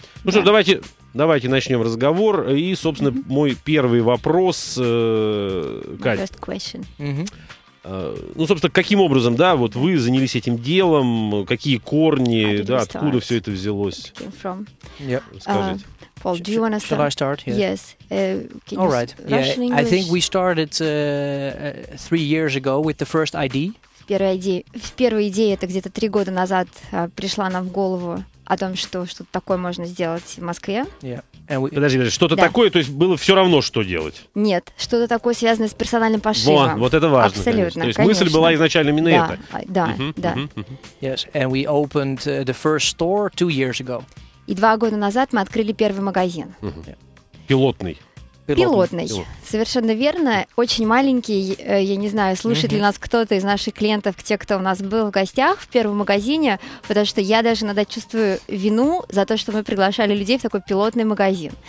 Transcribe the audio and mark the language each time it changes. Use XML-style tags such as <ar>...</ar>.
<ru>Ну что ж, давайте начнем разговор. И, собственно, мой первый вопрос, Катя.</ru> <en>First question.</en> <ru>Ну, собственно, каким образом, да, вот вы занялись этим делом, какие корни, да, откуда все это взялось? Скажите.</ru> <en>Пол, do you want to start? Should I start? Yes. All right. Yeah, I think we started 3 years ago with the first ID.</en> <ru>Первая идея, это где-то 3 года назад пришла нам в голову о том, что что-то такое можно сделать в Москве.</ru> <en>Yeah.</en> <ru>Подожди, что-то такое, то есть было все равно, что делать? Нет, что-то такое связанное с персональным пошивом. Вот это важно. Абсолютно, конечно. То есть конечно. Мысль была изначально именно да, эта. Да, да.</ru> <en>Yes, and we opened the first store 2 years ago.</en> <ru>И 2 года назад мы открыли первый магазин. Пилотный. Пилотный. Совершенно верно. Очень маленький, я не знаю, слушает ли нас кто-то из наших клиентов, те, кто у нас был в гостях в первом магазине, потому что я даже иногда чувствую вину за то, что мы приглашали людей в такой пилотный магазин.</ru>